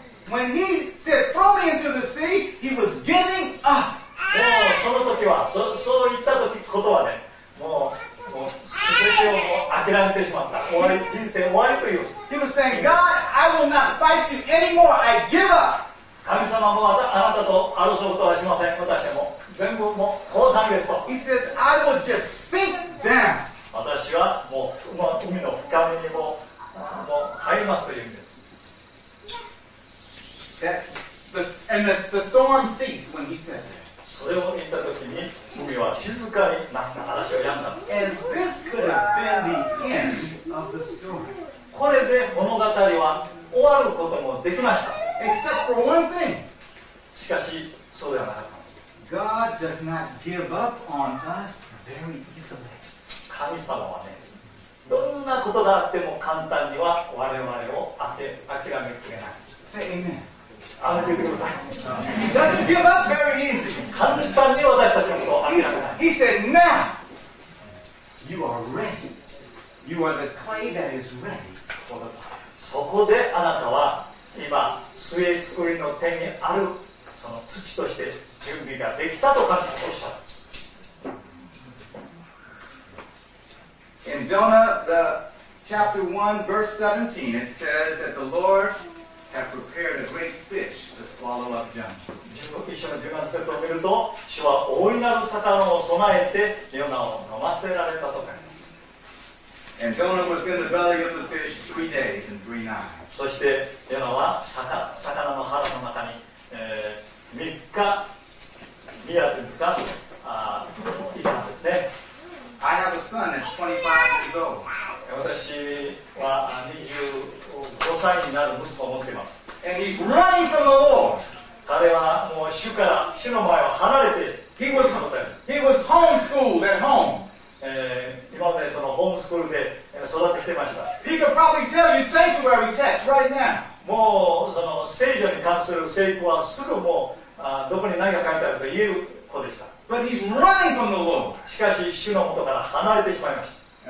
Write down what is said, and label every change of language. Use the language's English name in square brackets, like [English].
[English] When he said, throw me into the sea, he was giving up. [Japanese] もうその時は、そういった時ことはね、もう全てを諦めてしまった。終わり、人生終わりという。 [English] He was saying, God, I will not fight you anymore. I give up. [Japanese] 神様もあなたと争うことはしません。私はもう全部もう降参ですと。 [English] He says, I will just sink down. [Japanese] 私はもう海の深みにもう入りますという意味です。 [English] The storm ceased when he said that. [Japanese] それを言った時に海は静かになった。話をやんだ。 [English] And this could have been the end of the story. [Japanese] これで物語は終わることもできました。 [English] Except for one thing. [Japanese] しかしそうではなかったんです。 [English] God does not give up on us very easily. [Japanese] 神様はね、どんなことがあっても簡単には我々を諦めきれない。 [English] Say amen. He doesn't give up very easy. He said, now, you are ready. You are the clay that is ready for the fire. [Japanese] そこであなたは今、末作りの手にあるその土として準備ができたと感謝しました。 [English] In Jonah, the chapter 1, verse 17, it says that the Lord... have prepared a great fish to swallow up Jonah. [Japanese] 15章の17節を見ると、主は大いなる魚を備えてヨナを飲ませられたとか。 [English] And Jonah was in the belly of the fish 3 days and 3 nights. [Japanese] そしてヨナは魚の腹の中に、3日やってんですか、いたんですね。 [English] I have a son that's 25 years old. [Japanese] 私は25歳になる息子を持っています。 [English] And he's running from the Lord. [Japanese] 彼はもう主の前を離れて [English] he was homeschooled at home. [Japanese] 今までそのホームスクールで育ってきていました。 [English] He could probably tell you sanctuary text right now. [Japanese] もうその聖女に関する聖句はすぐもうどこに何が書いてあると言える子でした。 [English] But he's running from the Lord. [Japanese] しかし主の元から離れてしまいました。